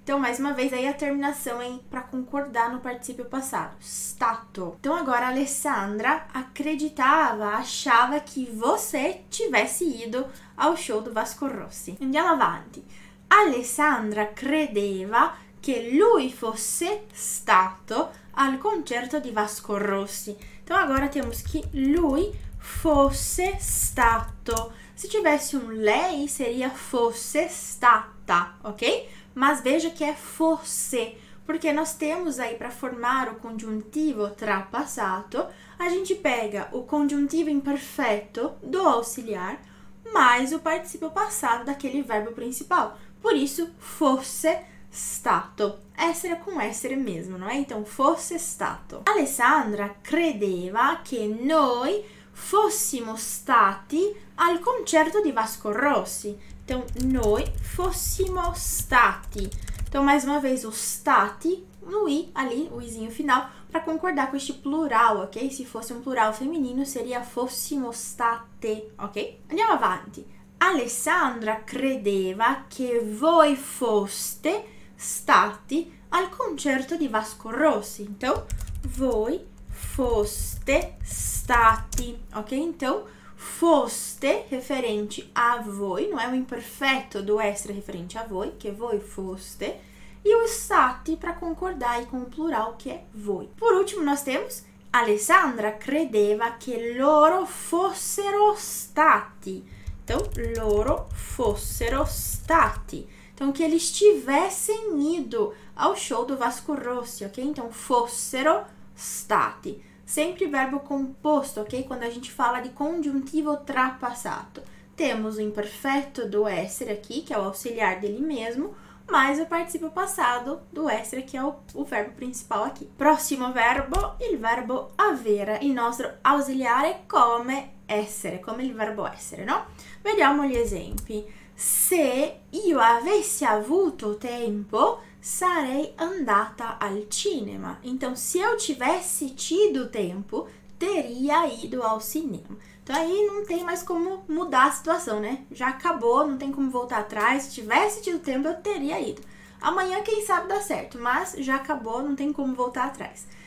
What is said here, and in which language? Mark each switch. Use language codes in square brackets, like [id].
[pt] Então mais uma vez aí a terminação em para concordar no particípio passado, stato. Então agora Alessandra acreditava, achava que você tivesse ido ao show do Vasco Rossi. [it] Andiamo avanti. Alessandra credeva che lui fosse stato al concerto di Vasco Rossi. [pt] Então agora temos que lui fosse stato. Se tivesse um lei, seria fosse stata, ok? Mas veja que é fosse, porque nós temos aí para formar o congiuntivo trapassato, a gente pega o congiuntivo imperfeito do auxiliar mais o particípio passado daquele verbo principal. Por isso, fosse stato. Essere com essere mesmo, não é? Então, fosse stato. [it] Alessandra credeva che noi fossimo stati al concerto di Vasco Rossi. [pt] Então, noi fossimo stati. Então, mais uma vez, o stati no i, ali, o izinho final, para concordar com este plural, ok? Se fosse um plural feminino, seria fossimo state, ok? [it] Andiamo avanti. Alessandra credeva che voi foste stati al concerto di Vasco Rossi. [pt] Então, voi foste stati, ok? Então, foste referente a voi, não é o imperfeito do essere referente a voi, que voi foste, e o stati para concordar aí com o plural que é voi. Por último, nós temos [it] Alessandra credeva che loro fossero stati. [pt] Então, loro fossero stati. Então, que eles tivessem ido ao show do Vasco Rossi, ok? Então, fossero stati. Sempre verbo composto, ok? Quando a gente fala de congiuntivo trapassato, temos o imperfeito do essere aqui, que é o auxiliar dele mesmo, mais o participio passado do essere, que é o verbo principal aqui. Próximo verbo, [it] il verbo avere. Il nostro ausiliare come essere, come il verbo essere, no? Vediamo gli esempi. Se io avessi avuto tempo, sarei andata al cinema. [pt] Então, se eu tivesse tido tempo, teria ido ao cinema. Então, aí não tem mais como mudar a situação, né? Já acabou, não tem como voltar atrás. Se tivesse tido tempo, eu teria ido. Amanhã, quem sabe, dá certo, mas já acabou, não tem como voltar atrás.